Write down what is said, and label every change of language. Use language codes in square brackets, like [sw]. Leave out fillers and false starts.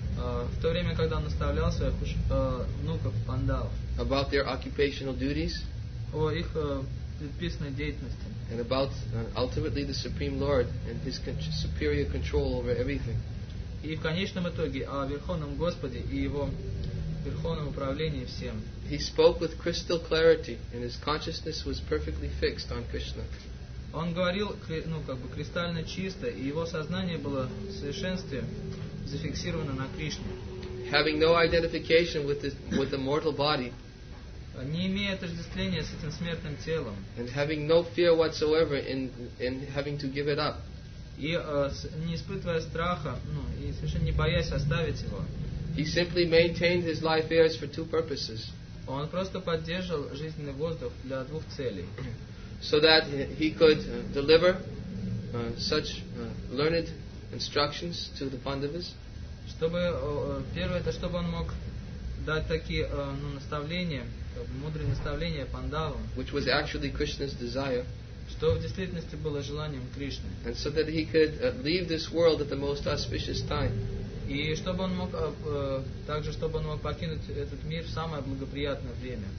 [ru] в то время, когда он наставлял своих внуков Пандавов, [en] about their occupational duties, [ru] о их предписанной деятельности. [en] And about ultimately the Supreme Lord and his superior control over everything. [ru] И в конечном итоге о Верховном Господе и его верховном управлении всем. [en] He spoke with crystal clarity, and his consciousness was perfectly fixed on Krishna. [ru] Он говорил кристально чисто, и его сознание было в совершенстве зафиксировано на Кришне. [en] Having no identification with the mortal body. [ru] Не имея отождествления с этим смертным телом. [en] And having no fear whatsoever in having to give it up. [ru] И не испытывая страха, и совершенно не боясь оставить его. [en] He simply maintained his life airs for two purposes. [ru] Он просто поддерживал жизненный воздух для двух целей. [en] So that he could deliver such learned instructions to the Pandavas. [ru] Чтобы первое это чтобы он мог дать такие наставления, мудрые наставления пандавам. [en] Which was actually Krishna's desire. [ru] Что в действительности было желанием Кришны. [en] And so that he could leave this world at the most auspicious time. [ru] И чтобы он мог также чтобы он мог покинуть этот мир в самое благоприятное время.